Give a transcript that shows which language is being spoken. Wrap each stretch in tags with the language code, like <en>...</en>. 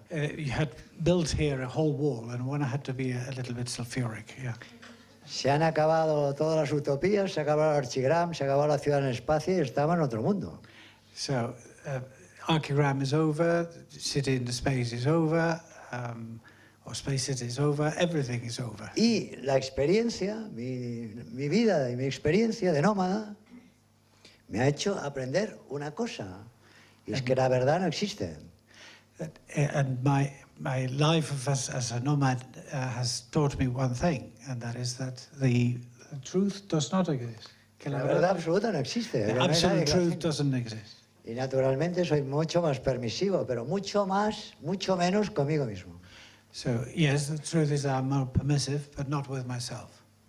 <en>You had built here a whole wall, and one had to be a little bit sulfuric, yeah.</en> <es>Se han acabado todas las utopías, se acabó el archigram, se acabó la ciudad en el espacio y estaba en otro mundo.</es> <en>So, archigram is over, city in the space is over, or space city is over, everything is over.</en> <es>Y la experiencia, mi vida y mi experiencia de nómada, me ha hecho aprender una cosa. Es que la verdad no existe.</es> <en>And my life as a nomad has taught me one thing, and that is that the truth does not exist.</en> <es>Que la verdad absoluta no existe.</es> <en>The absolute truth doesn't exist.</en> <es>Y naturalmente soy mucho más permisivo, pero mucho menos conmigo mismo.</es> <en>So, yes, the truth is I'm more permissive, but not with myself.</en>